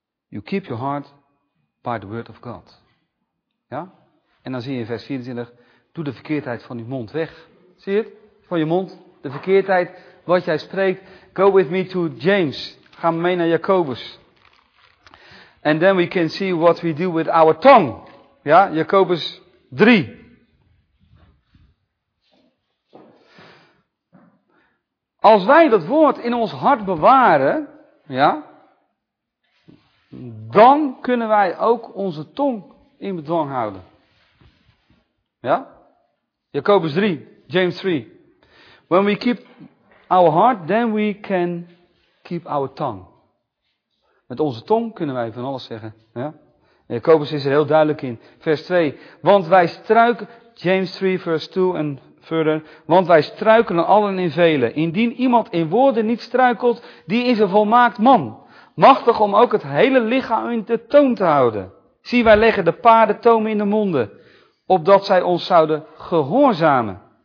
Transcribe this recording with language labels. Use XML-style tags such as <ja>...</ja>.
<en>You keep your heart by the word of God.</en> <nl>Ja? En dan zie je in vers 24, doe de verkeerdheid van je mond weg. Zie je het? Van je mond, de verkeerdheid, wat jij spreekt.</nl> <en>Go with me to James.</en> <nl>Ga mee naar Jacobus.</nl> <en>And then we can see what we do with our tongue.</en> <nl>Ja? Jacobus 3. Als wij dat woord in ons hart bewaren, ja, dan kunnen wij ook onze tong in bedwang houden. Ja? Jacobus 3, James 3.</nl> <en>When we keep our heart, then we can keep our tongue.</en> <nl>Met onze tong kunnen wij van alles zeggen. Ja? Jacobus is er heel duidelijk in. Vers 2. Want wij struiken, James 3, vers 2 en verder, want wij struikelen allen in velen. Indien iemand in woorden niet struikelt, die is een volmaakt man. Machtig om ook het hele lichaam in de toom te houden. Zie, wij leggen de paarden toom in de monden, opdat zij ons zouden gehoorzamen.</nl>